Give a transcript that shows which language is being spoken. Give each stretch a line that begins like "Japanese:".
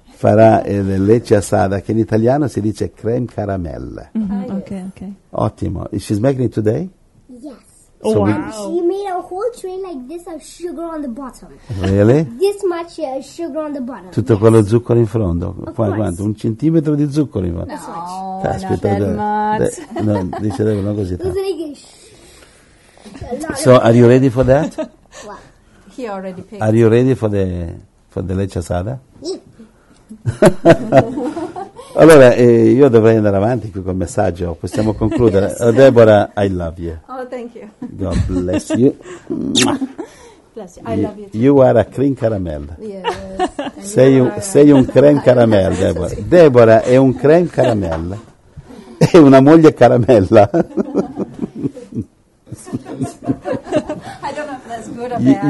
Italian: Farà le lecce assada, che in italiano si dice creme caramella.
English: Mm-hmm. Okay.
Italian: Ottimo.
English: Is she making it today? Yes. Oh, wow. She made a whole tray like this of sugar on the bottom. Really? This much sugar on the bottom.
Italian: Tutto
English: yes.
Italian: Quello zucchero in fondo? Quanto? Un centimetro di zucchero in fondo?
English: No, that's not that much.
Italian: No, dice lei, non così tanto.
English: So, are you ready for that? What? He already picked. Are you ready for the lecce assada?
Italian: Allora, io dovrei andare avanti qui col messaggio, possiamo concludere.
English: Yes. Deborah, I love you. Oh, thank you. God bless you. Bless you. I love you too. You are a cream caramel. Yes.
Italian: Sei un cream caramel, Deborah. Deborah è un cream caramel. È una moglie caramella.
English: I don't know if that's good or bad.